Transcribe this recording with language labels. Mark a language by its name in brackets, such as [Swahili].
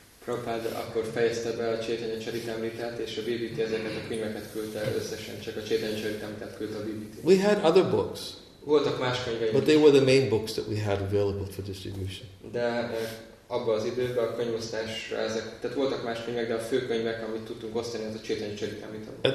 [Hungarian] Prabhupada akkor fejezte be a Chaitanya Charitamritát, és a BBT ezeket a könyveket küldte összesen, csak a Chaitanya Charitamritát küldte a BBT. [English] We had other books. [Hungarian] Voltak más könyveim. [English] But they were the main books that we had available for distribution. [Hungarian] De abban az időben a könyvosztásra ezek, tehát voltak más könyvek, de a fő könyvek, amit tudtunk osztani, az a Chaitanya Charitamrita.